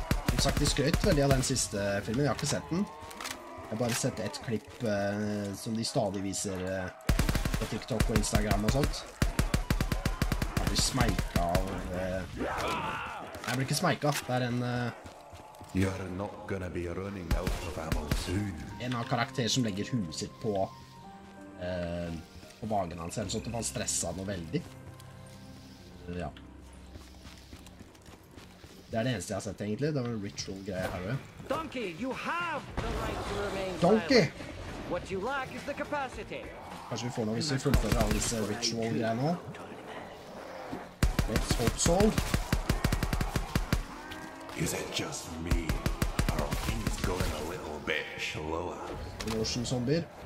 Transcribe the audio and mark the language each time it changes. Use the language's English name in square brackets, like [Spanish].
[Norwegian] Som sagt, de skrøt veldig av den siste filmen. Jeg har ikke sett den. Jeg har bare sett ett klipp som de stadig viser på TikTok og Instagram og sånt. Jeg blir smeiket av... Jeg blir ikke smeiket, det er en... [English] You're not gonna be running out of ammo soon. [Norwegian] En av karakterer som legger hodet sitt på vagen hans, sånn at han stresset noe veldig. Ja. Det er det eneste jeg har sett, egentlig. Det var en ritual-greie her, jo. [English] Donkey, you have the right to remain silent. Donkey! What you lack is the capacity. [Norwegian] Kanskje vi får noe hvis vi fullfører alle disse ritual-greiene nå? [English] Let's hope so. Is it just me? Are things going a little bit slower? Motion [Norwegian] zombier.